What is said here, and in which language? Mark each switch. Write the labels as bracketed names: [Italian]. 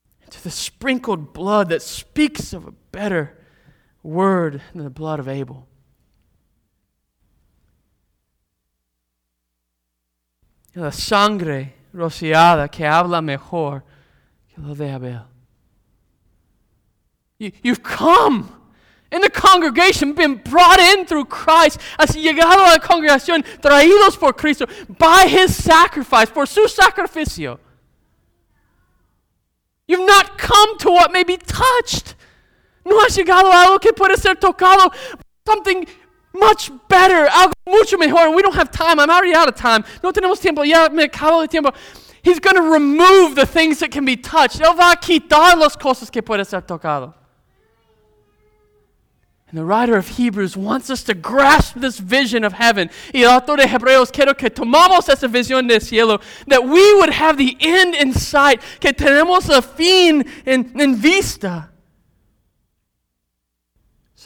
[English] To the sprinkled blood that speaks of a better word than the blood of Abel. [Spanish] Y la sangre rociada que habla mejor que lo de Abel. [English] You've come in the congregation, been brought in through Christ. [Spanish] Has llegado a la congregación, traídos por Cristo, [English] by his sacrifice, [Spanish] por su sacrificio. [English] You've not come to what may be touched. [Spanish] No has llegado a algo que puede ser tocado. [English] Something much better. [Spanish] Algo mucho mejor. [English] We don't have time. I'm already out of time. [Spanish] No tenemos tiempo. Ya me acabo de tiempo. [English] He's going to remove the things that can be touched. [Spanish] Él va a quitar las cosas que puede ser tocado. [English] And the writer of Hebrews wants us to grasp this vision of heaven. [Spanish] Y el autor de Hebreos quiero que tomamos esa visión del cielo, [English] that we would have the end in sight, [Spanish] que tenemos el fin en vista. So